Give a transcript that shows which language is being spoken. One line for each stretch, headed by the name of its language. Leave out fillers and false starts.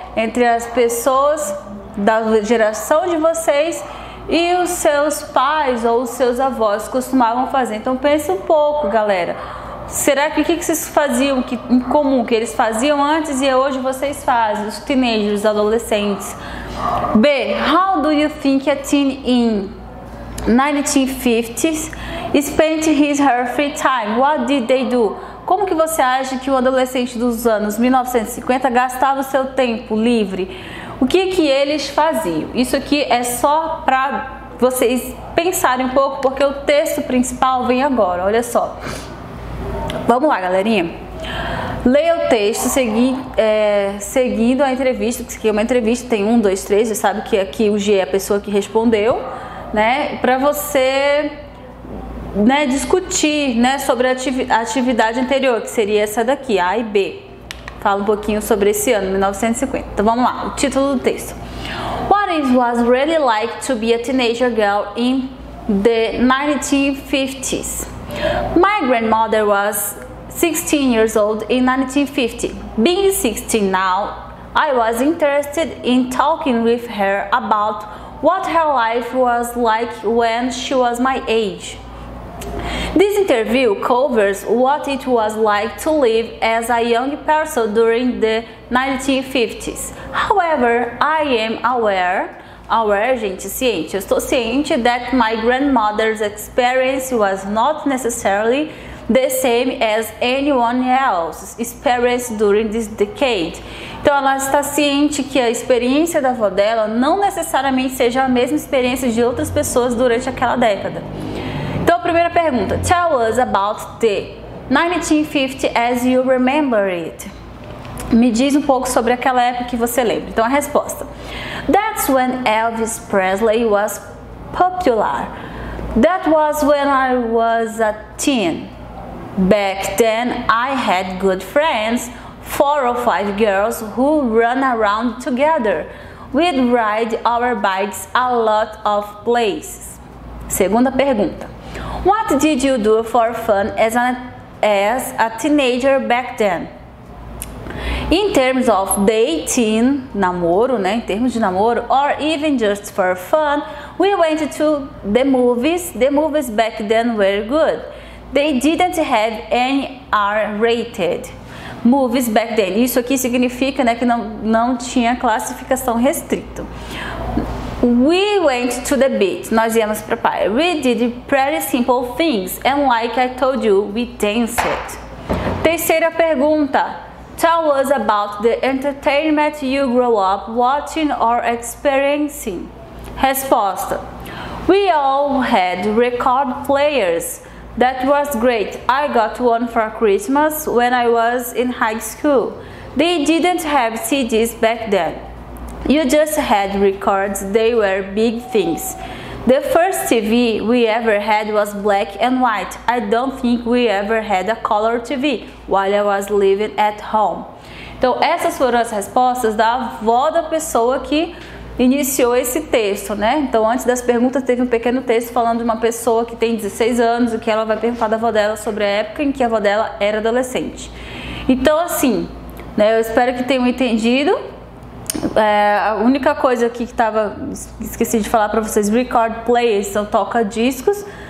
Portuguese: Entre as pessoas da geração de vocês e os seus pais ou os seus avós costumavam fazer. Então, pensa um pouco, galera. Será que o que vocês faziam que, em comum, que eles faziam antes e hoje vocês fazem? Os teenagers, os adolescentes.
English: B, how do you think a teen in 1950s spent his or her free time? What did they do?
Portuguese: Como que você acha que um adolescente dos anos 1950 gastava o seu tempo livre? O que que eles faziam? Isso aqui é só para vocês pensarem um pouco, porque o texto principal vem agora, olha só. Vamos lá, galerinha. Leia o texto seguindo a entrevista, que isso aqui é uma entrevista, tem um, dois, três, já sabe que aqui o G é a pessoa que respondeu, né? Pra você, né, discutir, né, sobre a atividade anterior, que seria essa daqui, A e B. Fala um pouquinho sobre esse ano, 1950. Então vamos lá, o título do texto.
English: What it was really like to be a teenager girl in the 1950s? My grandmother was 16 years old in 1950. Being 16 now, I was interested in talking with her about what her life was like when she was my age. This interview covers what it was like to live as a young person during the 1950s. However, I am aware,
Portuguese: gente, ciente,
English: that my grandmother's experience was not necessarily the same as anyone else's experience during this decade.
Portuguese: Então, ela está ciente que a experiência da avó dela não necessariamente seja a mesma experiência de outras pessoas durante aquela década. Então, a primeira pergunta.
English: Tell us about the 1950 as you remember it.
Portuguese: Me diz um pouco sobre aquela época que você lembra. Então, a resposta.
English: That's when Elvis Presley was popular. That was when I was a teen. Back then, I had good friends, 4 or 5 girls who run around together. We'd ride our bikes a lot of places.
Portuguese: Segunda pergunta.
English: What did you do for fun as a teenager back then? In terms of dating,
Portuguese: namoro, né, em termos de namoro,
English: or even just for fun, we went to the movies. The movies back then were good. They didn't have any R-rated movies back then.
Portuguese: Isso aqui significa, né, que não tinha classificação restrita.
English: We went to the beach.
Portuguese: Nós íamos para a praia.
English: We did pretty simple things. And like I told you, we danced.
Portuguese: Terceira pergunta.
English: Tell us about the entertainment you grew up watching or experiencing.
Portuguese: Resposta:
English: We all had record players. That was great. I got one for Christmas when I was in high school. They didn't have CDs back then. You just had records. They were big things. The first TV we ever had was black and white. I don't think we ever had a color TV while I was living at home.
Portuguese: Então, essas foram as respostas da avó da pessoa que iniciou esse texto, né? Então, antes das perguntas, teve um pequeno texto falando de uma pessoa que tem 16 anos e que ela vai perguntar da avó dela sobre a época em que a avó dela era adolescente. Então, assim, né, eu espero que tenham entendido. É, a única coisa aqui que estava, esqueci de falar para vocês, record players, são toca discos.